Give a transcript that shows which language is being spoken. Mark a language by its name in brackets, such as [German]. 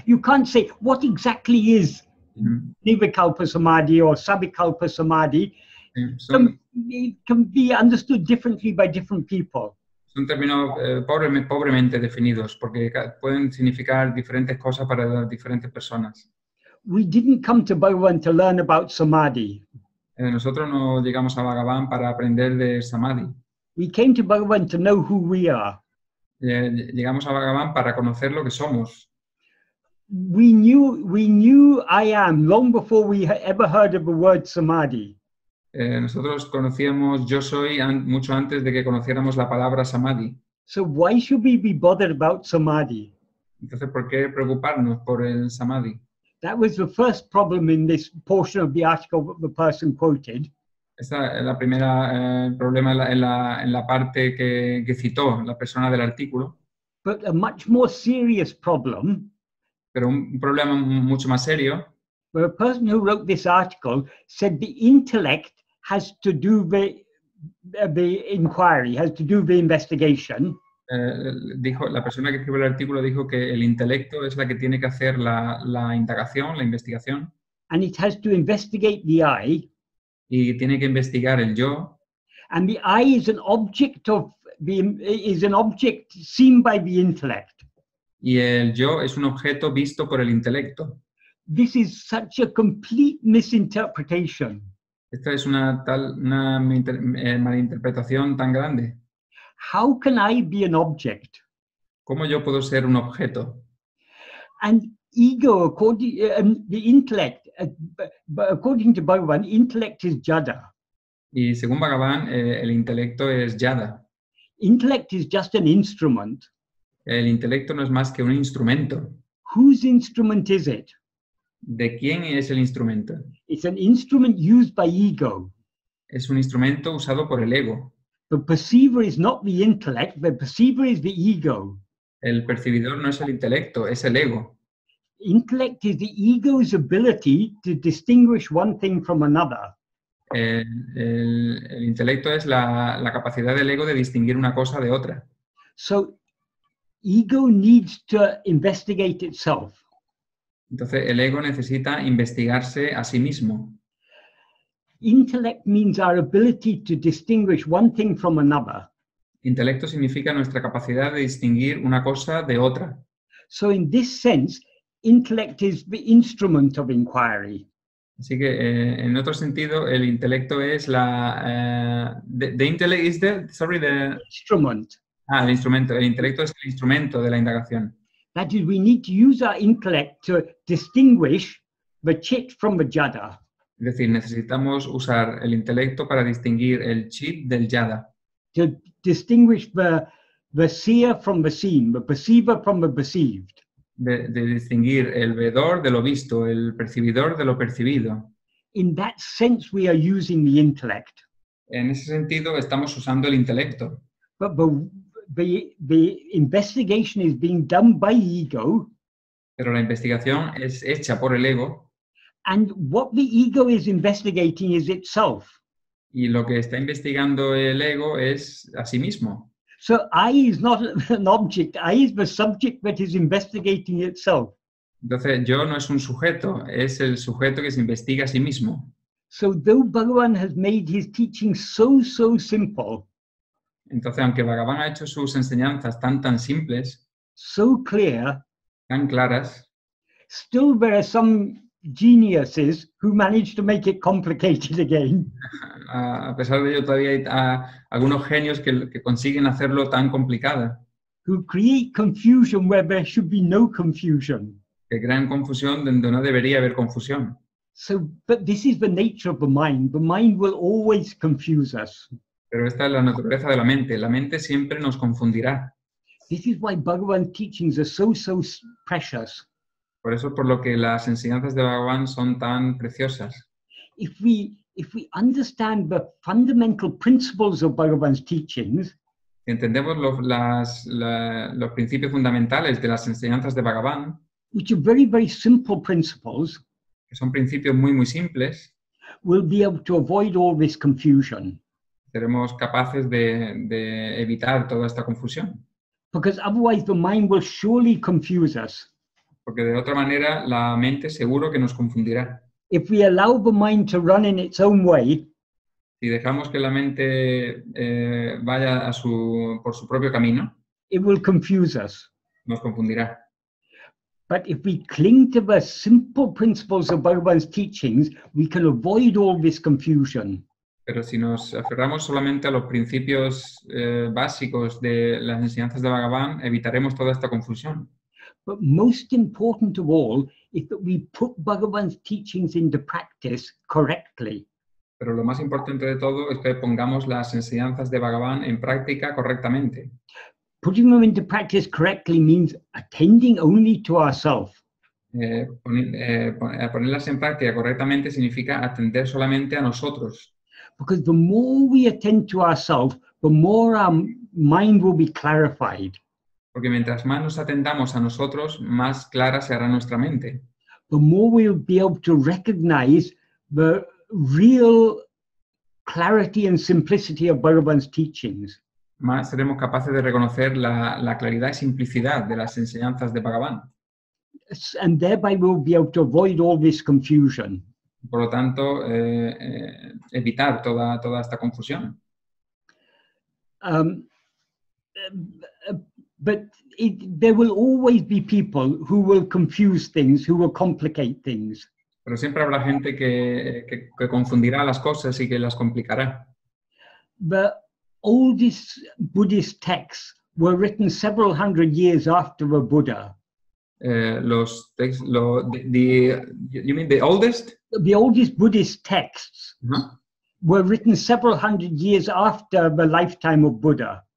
[English] You can't say what exactly is Nirvikalpa Samadhi or Savikalpa Samadhi. It can be understood differently by different people. [Spanish] Son términos pobremente definidos porque pueden significar diferentes cosas para diferentes personas. [English] We didn't come to Bhagavan to learn about Samadhi. [Spanish] Nosotros no llegamos a Bhagavan para aprender de Samadhi. [English] We came to Bhagavan to know who we are. [Spanish] Llegamos a Bhagavan para conocer lo que somos. [English] We knew I am long before we ever heard of the word Samadhi. [Spanish] Nosotros conocíamos Yo Soy mucho antes de que conociéramos la palabra Samadhi. [English] So why should we be bothered about samadhi? [Spanish] Entonces, ¿por qué preocuparnos por el samadhi? [English] That was the first problem in this portion of the article that the person quoted. [Spanish] Esa es la primera problema en la parte que citó la persona del artículo. [English] But a much more serious problem. [Spanish] Pero un problema mucho más serio. [English] Where a person who wrote this article said the intellect has to do the inquiry, has to do the investigation. [Spanish] Dijo la persona que escribió el artículo dijo que el intelecto es la que tiene que hacer la indagación, la investigación. [English] And it has to investigate the I. [Spanish] Y tiene que investigar el yo. [English] And the I is an object of is an object seen by the intellect. [Spanish] Y el yo es un objeto visto por el intelecto. [English] This is such a complete misinterpretation. [Spanish] Esta es una malinterpretación tan grande. [English] How can I be an object? [Spanish] ¿Cómo yo puedo ser un objeto? [English] And ego, according to Bhagavan, intellect is jada. [Spanish] Y según Bhagavan, el intelecto es jada. [English] Intellect is just an instrument. [Spanish] El intelecto no es más que un instrumento. [English] Whose instrument is it? [Spanish] ¿De quién es el instrumento? [English] It's an instrument used by ego. [Spanish] Es un instrumento usado por el ego. [English] The perceiver is not the intellect, the perceiver is the ego. [Spanish] El percibidor no es el intelecto, es el ego. [English] Intellect is the ego's ability to distinguish one thing from another. [Spanish] El intelecto es la capacidad del ego de distinguir una cosa de otra. [English] So, ego needs to investigate itself. [Spanish] Entonces, el ego necesita investigarse a sí mismo. [English] Intellect means our ability to distinguish one thing from another. [Spanish] Intelecto significa nuestra capacidad de distinguir una cosa de otra. [English] So in this sense, intellect is the instrument of inquiry. [Spanish] Así que en otro sentido, el intelecto es la [English] instrument. [Spanish] Ah, el instrumento. El intelecto es el instrumento de la indagación. [English] That is, we need to use our intellect to distinguish the chit from the jada. [Spanish] Es decir, necesitamos usar el intelecto para distinguir el chit del jada. [English] To distinguish the seer from the seen, the perceiver from the perceived. [Spanish] De distinguir el veedor de lo visto, el percibidor de lo percibido. [English] In that sense we are using the intellect. [Spanish] En ese sentido estamos usando el intelecto. [English] But the investigation is being done by ego. [Spanish] Pero la investigación es hecha por el ego. [English] And what the ego is investigating is itself. [Spanish] Y lo que está investigando el ego es a sí mismo. [English] So I is not an object. I is the subject that is investigating itself. [Spanish] Entonces, yo no es un sujeto. Es el sujeto que se investiga a sí mismo. [English] So though Bhagavan has made his teaching so, so simple. [Spanish] Entonces, aunque Bhagavan ha hecho sus enseñanzas tan, tan simples. [English] So clear. [Spanish] Tan claras. [English] Still there are some geniuses who managed to make it complicated again. [Spanish] A pesar de ello, todavía hay algunos genios que consiguen hacerlo tan complicado. [English] Who create confusion where there should be no confusion. [Spanish] Que crean confusión donde no debería haber confusión. [English] So, but this is the nature of the mind. The mind will always confuse us. [Spanish] Pero esta es la naturaleza de la mente. La mente siempre nos confundirá. [English] This is why Bhagavan's teachings are so, so precious. [Spanish] Por eso, por lo que las enseñanzas de Bhagavan son tan preciosas. [English] If we understand the fundamental principles of Bhagavan's teachings, [Spanish] si entendemos los principios fundamentales de las enseñanzas de Bhagavan, [English] which are very, very simple principles, [Spanish] que son principios muy, muy simples, [English] we'll be able to avoid all this confusion. [Spanish] Seremos capaces de evitar toda esta confusión. [English] Because otherwise the mind will surely confuse us. [Spanish] Porque de otra manera la mente seguro que nos confundirá. [English] If we allow the mind to run in its own way, [Spanish] si dejamos que la mente vaya por su propio camino, [English] it will confuse us. [Spanish] Nos confundirá. [English] But if we cling to the simple principles of Bhagavan's teachings, we can avoid all this confusion. [Spanish] Pero si nos aferramos solamente a los principios básicos de las enseñanzas de Bhagavan, evitaremos toda esta confusión. [English] But most important of all is that we put Bhagavan's teachings into practice correctly. [Spanish] Pero lo más importante de todo es que pongamos las enseñanzas de Bhagavan en práctica correctamente. [English] putting them into practice correctly means attending only to ourselves. [Spanish] Ponerlas en práctica correctamente significa atender solamente a nosotros. [English] Because the more we attend to ourselves, the more our mind will be clarified. [Spanish] Porque mientras más nos atendamos a nosotros, más clara se hará nuestra mente. [English] The more we'll be able to recognize the real clarity and simplicity of Bhagavan's teachings. [Spanish] Más seremos capaces de reconocer la claridad y simplicidad de las enseñanzas de Bhagavan. [English] And thereby we'll be able to avoid all this confusion. [Spanish] Por lo tanto, evitar toda esta confusión. [English] But there will always be people who will confuse things, who will complicate things. [Spanish] Pero siempre habrá gente que confundirá las cosas y que las complicará. [English] The oldest Buddhist texts were written several hundred years after the Buddha. You mean the oldest? The oldest Buddhist texts were written several hundred years after the lifetime of Buddha.